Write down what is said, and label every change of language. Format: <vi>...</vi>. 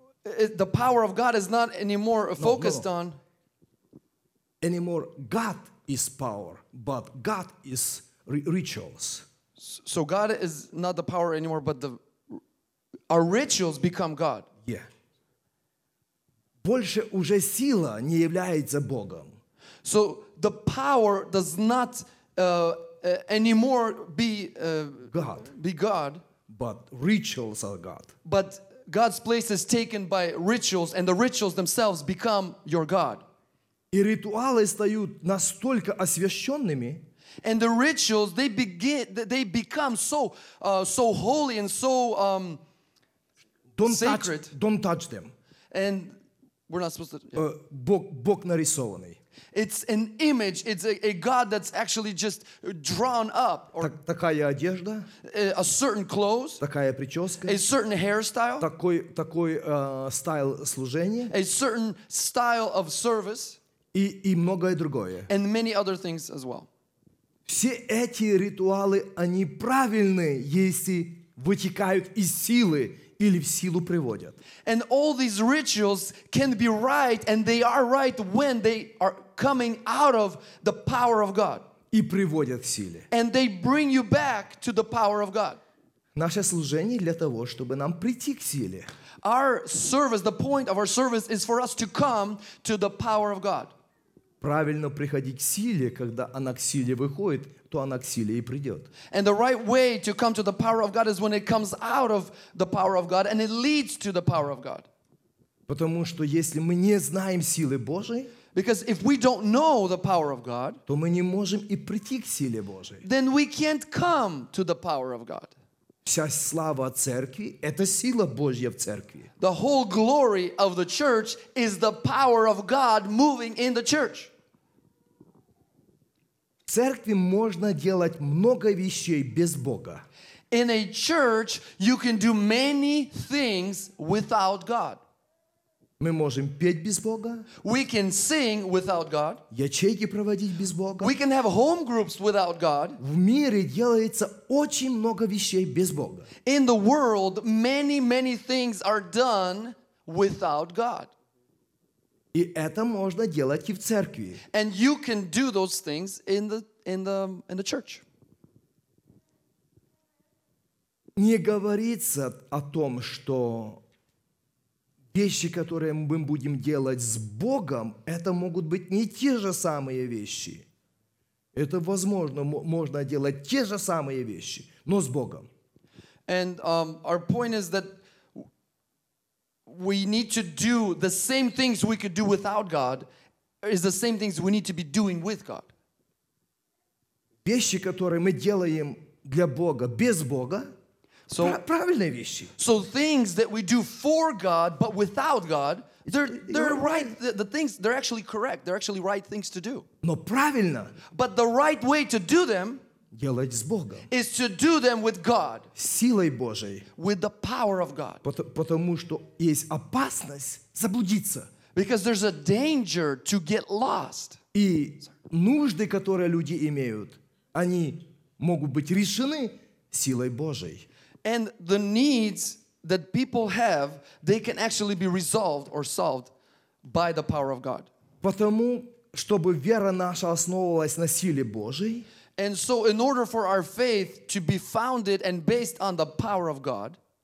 <en>The power of God is not anymore focused on. Anymore God is power, but God is rituals. So God is not the power anymore, but our rituals become God. Yeah.</en> <ru>Больше уже сила не является Богом.</ru> <en>So the power does not anymore be God. Be God. But rituals are God. But God's place is taken by rituals, and the rituals themselves become your God.</en> <ru>И ритуалы стают настолько освященными.</ru> <en>And the rituals, they become so so holy and so sacred. Don't touch them. And we're not supposed to. Yeah.</en> <ru>Бог нарисованный.</ru> <en>It's an image. It's a God that's actually just drawn up. Or</en> <ru>такая одежда.</ru> <en>A certain clothes.</en> <ru>Такая прическа.</ru> <en>A certain hairstyle.</en> <ru>Такой стиль служения.</ru> <en>A certain style of service.</en> <ru>и многое другое.</ru> <en>And many other things as well.</en> <ru>Все эти ритуалы, они правильны, если вытекают из силы или в силу приводят.</ru> <en>And all these rituals can be right, and they are right when they are coming out of the power of God.</en> <ru>И приводят к силе.</ru> <en>And they bring you back to the power of God.</en> <ru>Наше служение для того, чтобы нам прийти к силе.</ru> <en>Our service, the point of our service is for us to come to the power of God.</en> <ru>Правильно приходить к силе, когда она к силе выходит, то она к силе и придет.</ru> <en>And the right way to come to the power of God is when it comes out of the power of God and it leads to the power of God.</en> <ru>Потому что если мы не знаем силы Божьей,</ru> <en>because if we don't know the power of God,</en> <ru>то мы не можем и прийти к силе Божьей.</ru> <en>Then we can't come to the power of God.</en> <ru>Вся слава церкви – это сила Божья в церкви.</ru> <en>The whole glory of the church is the power of God moving in the church.</en> <ru>В церкви можно делать много вещей без Бога.</ru> <en>In a church, you can do many things without God.</en> <ru>Мы можем петь без Бога.</ru> <en>We can sing without God.</en> <ru>Ячейки проводить без Бога.</ru> <en>We can have home groups without God.</en> <ru>В мире делается очень много вещей без Бога.</ru> <en>In the world, many, many things are done without God.</en> <ru>И это можно делать и в церкви.</ru> <en>And you can do those things in the church.</en> <ru>Не говорится о том, что вещи, которые мы будем делать с Богом, это могут быть не те же самые вещи. Это возможно, можно делать те же самые вещи, но с Богом.</ru> <en>And our point is that we need to do the same things we could do without God is the same things we need to be doing with God.</en> <ru>Вещи, которые мы делаем для Бога, без Бога,</ru> <en>so,</en> <ru>правильные вещи.</ru> <en>So things that we do for God but without God, they're right. The things, they're actually correct. They're actually right things to do.</en> <ru>Но правильно.</ru> <en>But the right way to do them</en> <ru>делать с Богом.</ru> <en>Is to do them with God.</en> <ru>Силой Божией.</ru> <en>With the power of God.</en> <ru>Потому что есть опасность заблудиться.</ru> <en>Because there's a danger to get lost.</en> <ru>И нужды, которые люди имеют, они могут быть решены силой Божией.</ru> <en>And the needs that people have, they can actually be resolved or solved by the power of God.</en> <ru>Потому, чтобы вера наша основывалась на силе Божьей,</ru> <en>and so in order for our faith to be founded and based on the power of God,</en>